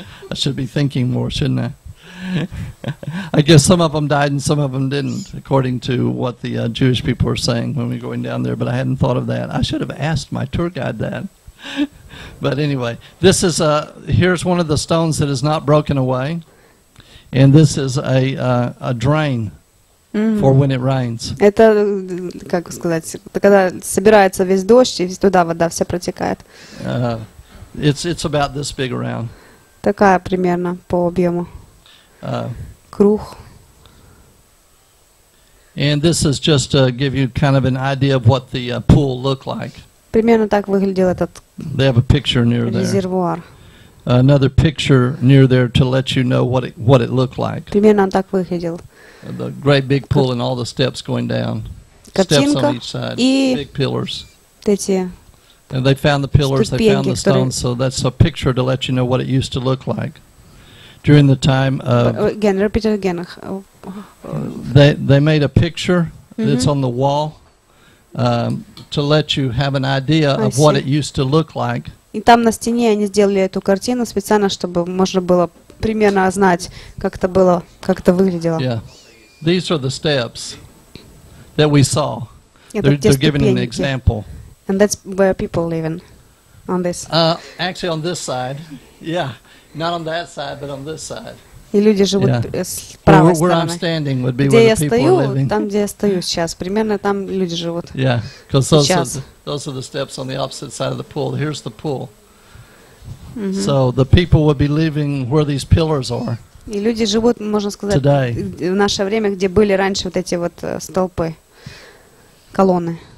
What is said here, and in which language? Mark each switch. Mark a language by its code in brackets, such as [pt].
[en] I should be thinking more, shouldn't I? I guess some of them died and some of them didn't, according to what the Jewish people were saying when we were going down there, but I hadn't thought of that. I should have asked my tour guide that. But anyway, this is here's one of the stones that is not broken away, and this is a drain for when it rains. [ru] Это, как сказать, когда собирается весь дождь, и туда вода вся протекает. [en] It's about this big around. [ru] Такая примерно по объему. Круг. [en] And this is just to give you kind of an idea of what the pool looked like. [ru] Примерно так выглядел этот. [en] They have a picture near [ru] резервуар. [en] There. Another picture near there to let you know what it looked like. [ru] Примерно так выглядел. [en] The great big pool and all the steps going down. [ru] Картинка. [en] Steps on each side. [ru] И [en] big pillars. [ru] Эти. [en] And they found the pillars. [ru] Ступеньки, [en] they found the stones. So that's a picture to let you know what it used to look like. During the time of again, repeat it again. They made a picture that's on the wall to let you have an idea of what it used to look like. [ru] И там на стене они сделали эту картину специально, чтобы можно было примерно знать, как это было, как это выглядело. [en] Yeah, these are the steps that we saw. They're giving an example. And that's where people live in, on this. Actually, on this side, yeah. Not on that side, but on this side. [ru] И люди живут с правой стороны. [en] Where I'm standing would be where the people [ru] стою, [en] are living. [ru] Там, где я стою сейчас, примерно там люди живут. [en] Yeah, because those are the steps on the opposite side of the pool. Here's the pool. So the people would be living where these pillars are. [ru] И люди живут, можно сказать, [en] today. [ru] В наше время, где были раньше вот эти вот столпы, колонны.